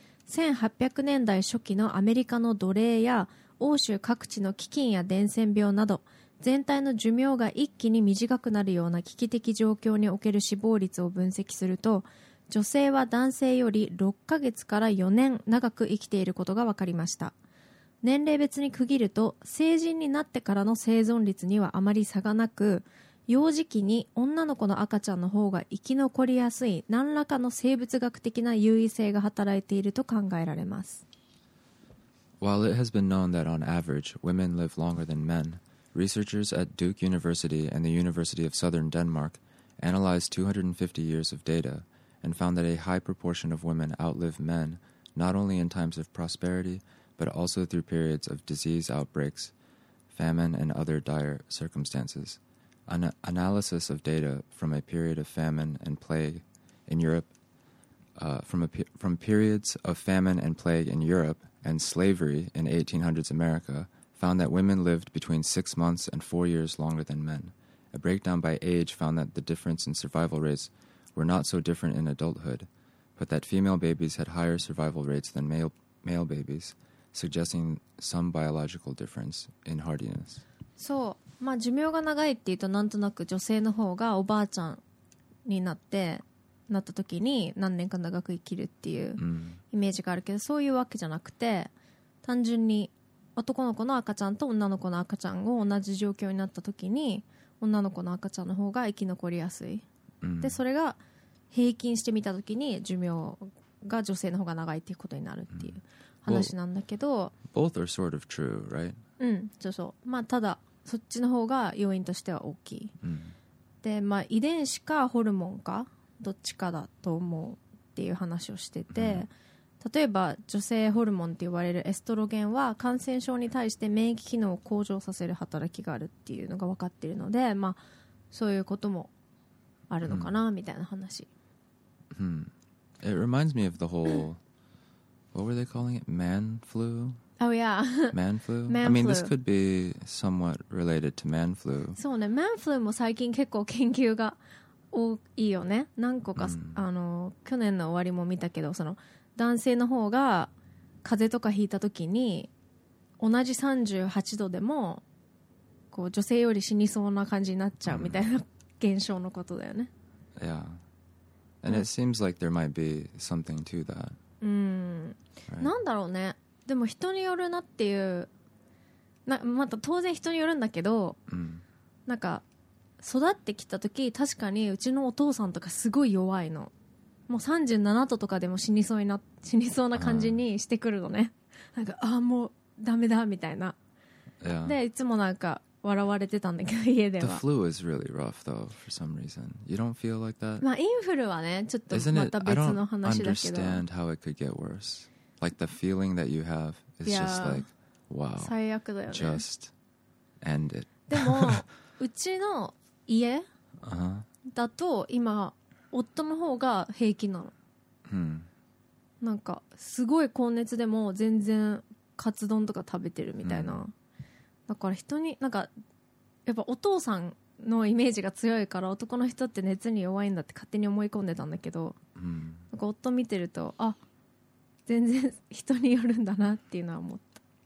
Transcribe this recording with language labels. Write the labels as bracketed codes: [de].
[ja] 1800年代初期のアメリカの奴隷や欧州各地の飢饉や伝染病など、全体の寿命が一気に短くなるような危機的状況における死亡率を分析すると、女性は男性より6ヶ月から4年長く生きていることが分かりました。年齢別に区切ると成人になってからの生存率にはあまり差がなく、幼児期に女の子の赤ちゃんの方が生き残りやすい何らかの生物学的な優位性が働いていると考えられます。 [en] While it has been known that on average women live longer than men, researchers at Duke University and the University of Southern Denmark analyzed 250 years of data and found that a high proportion of women outlive men not only in times of prosperity but also through periods of disease outbreaks, famine and other dire circumstances. An analysis of data from a period of famine and plague in Europe, from periods of famine and plague in Europe and slavery in 1800s America found that women lived between 6 months and 4 years longer than men. A breakdown by age found that the difference in survival rates were not so different in adulthood, but that female babies had higher survival rates than male babies,suggesting some biological difference in hardiness. [ja] そう、まあ寿命が長いっていうとなんとなく女性の方がおばあちゃんになってなった時に何年か長く生きるっていうイメージがあるけど、そういうわけじゃなくて、単純に男の子の赤ちゃんと女の子の赤ちゃんを同じ状況になった時に女の子の赤ちゃんの方が生き残りやすい、でそれが平均してみた時に寿命が女性の方が長いっていうことになるっていう、話なんだけど、 [en] Both are sort of true, right? [ja] うん、そうそう。まあただそっちの方が要因としては大きい。で、まあ遺伝子かホルモンかどっちかだと思うっていう話をしてて、例えば女性ホルモンって言われるエストロゲンは感染症に対して免疫機能を向上させる働きがあるっていうのが分かっているので、まあそういうこともあるのかなみたいな話。 [en] It reminds me of the whole What were they calling it? Man flu? Oh, yeah. Man flu? Man I mean, flu. This could be somewhat related to man flu. [ja] そうね。Man flu も最近結構研究が多いよね。何個か、あの、去年の終わりも見たけど、その、男性の方が風邪とかひいた時に、同じ38度でも、こう、女性より死にそうな感じになっちゃうみたいな現象のことだよね。 [en] Yeah. And it seems like there might be something to that. [ja] なんだろうね。でも人によるなっていう、また当然人によるんだけど、なんか育ってきた時確かにうちのお父さんとかすごい弱いの。もう37度とかでも死にそうな感じにしてくるのね。なんかああもうダメだみたいな。 [en] Yeah. [ja] でいつもなんか笑われてたんだけど家では。 [en] The flu is really rough though for some reason. You don't feel like that? [ja] まあインフルはねちょっとまた別の話だけど。 [en] Isn't it? I don't understand how it could get worse. Like the feeling that you have is just like, wow. [ja] 最悪だよね。 [en] Just end it. [ja] でもうちの家だと今夫の方が平気なの。なんかすごい高熱でも全然カツ丼とか食べてるみたいな。だから人に、なんか、やっぱお父さんのイメージが強いから男の人って熱に弱いんだって勝手に思い込んでたんだけど、なんか夫見てると、あ、全然人によるんだなっていうのは思った。